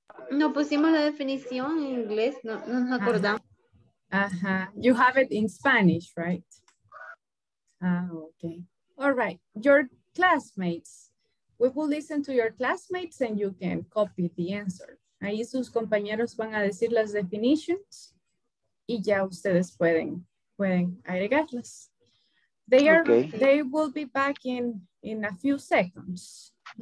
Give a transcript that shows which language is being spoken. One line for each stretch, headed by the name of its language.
Spanish: No pusimos la definición en inglés. No nos acordamos.
English: Uh-huh. You have it in Spanish, right? Okay. All right. Your classmates. We will listen to your classmates and you can copy the answer.
Spanish: Ahí sus compañeros van a decir las definitions y ya ustedes pueden agregarlas.
English: They will be back in a few seconds.